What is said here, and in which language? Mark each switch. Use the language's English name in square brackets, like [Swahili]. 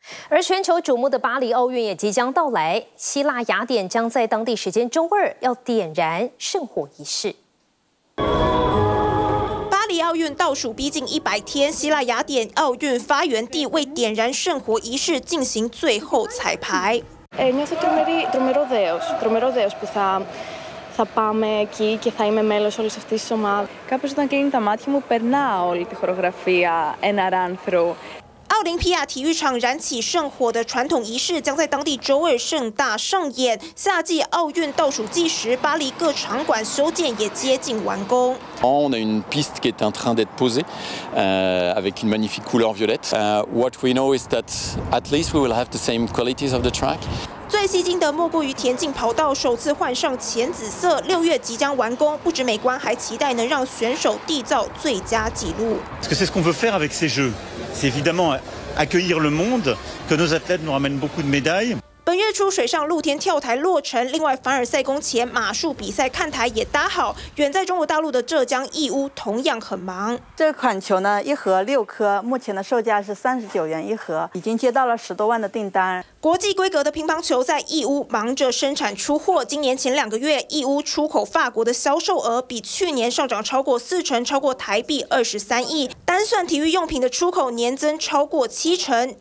[Chinese] 而全球瞩目的巴黎奥运也即将到来，希腊雅典将在当地时间周2要点燃圣火仪式。奥运倒数逼近100天，希腊雅典奥运发源地为点燃圣火仪式进行最后彩排。 [Greek] θα πάμε εκεί και θα είμαι μέλος όλης αυτής της ομάδας. Κάπως όταν κλείνει τα μάτια μου περνά όλη τη χορογραφία ένα ράνθρο. [Chinese] 奥林匹亚体育场燃起圣火的传统仪式将在当地周2盛大上演。夏季奥运倒数计时，巴黎各场馆修建也接近完工。 [French] On a une piste qui est en train d'être posée, avec une magnifique couleur violette. [English] What we know is that at least we will have the same qualities of the track. [Chinese] 最吸睛的莫过于田径跑道首次换上浅紫色，6月即将完工，不止美观，还期待能让选手缔造最佳纪录。 [French] Parce que c'est ce qu'on veut faire avec ces jeux, c'est évidemment accueillir le monde, que nos athlètes nous ramènent beaucoup de médailles。 [Chinese] 本月初水上露天跳台落成，另外凡尔赛宫前马术比赛看台也搭好。远在中国大陆的浙江义乌同样很忙。这款球呢，1盒6颗，目前的售价是39元1盒，已经接到了10多万的订单。国际规格的乒乓球在义乌忙着生产出货，今年前2个月义乌出口法国的销售额比去年上涨超过40%，超过台币23亿，单算体育用品的出口年增超过70%。